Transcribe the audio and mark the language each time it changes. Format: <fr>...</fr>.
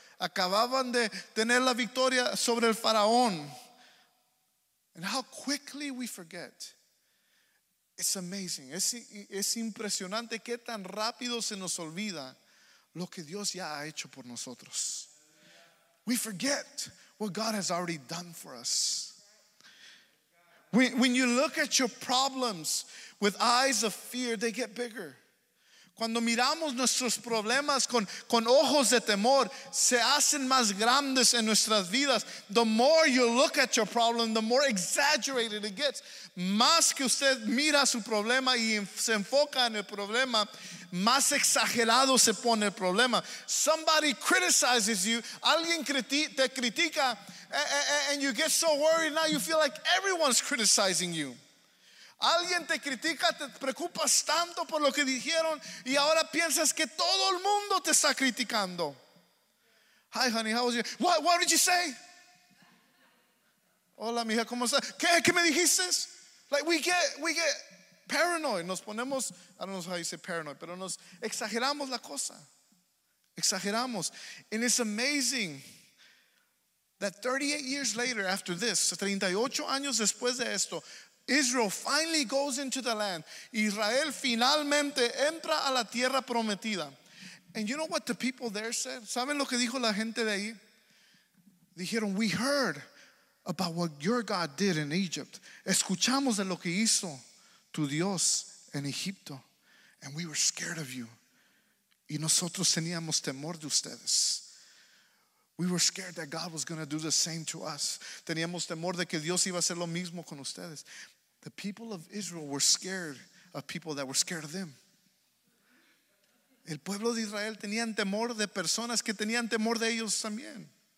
<es>Acababan de tener la victoria sobre el faraón.</es> <en>And how quickly we forget. It's amazing.</en> <es>Es impresionante qué tan rápido se nos olvida lo que Dios ya ha hecho por nosotros.</es> <en>We forget what God has already done for us. When you look at your problems with eyes of fear, they get bigger.</en> <es>Cuando miramos nuestros problemas con ojos de temor, se hacen más grandes en nuestras vidas.</es> <en>The more you look at your problem, the more exaggerated it gets.</en> <es>Más que usted mira su problema y se enfoca en el problema, más exagerado se pone el problema.</es> <en>Somebody criticizes you,</en> <es>alguien te critica,</es> <en>and you get so worried now you feel like everyone's criticizing you.</en> <es>Alguien te critica, te preocupas tanto por lo que dijeron y ahora piensas que todo el mundo te está criticando.</es> <en>Hi honey, how was you? What did you say?</en> <es>Hola mija, ¿cómo estás? ¿Qué me dijiste?</es> <en>Like we get paranoid.</en> <es>Nos ponemos,</es> <en>I don't know how you say paranoid,</en> <es>pero nos exageramos la cosa. Exageramos.</es> <en>And it's amazing that 38 years later after this,</en> <es>38 años después de esto,</es> <en>Israel finally goes into the land.</en> <es>Israel finalmente entra a la tierra prometida.</es> <en>And you know what the people there said?</en> <es>¿Saben lo que dijo la gente de ahí? Dijeron,</es> <en>we heard about what your God did in Egypt.</en> <es>Escuchamos de lo que hizo tu Dios en Egipto.</es> <en>And we were scared of you.</en> <es>Y nosotros teníamos temor de ustedes.</es> <en>We were scared that God was going to do the same to us.</en> <es>Teníamos temor de que Dios iba a hacer lo mismo con ustedes.</es> <en>The people of Israel were scared of people that were scared of them.</en> <es>El pueblo de Israel tenían temor de personas que tenían temor de ellos también.</es>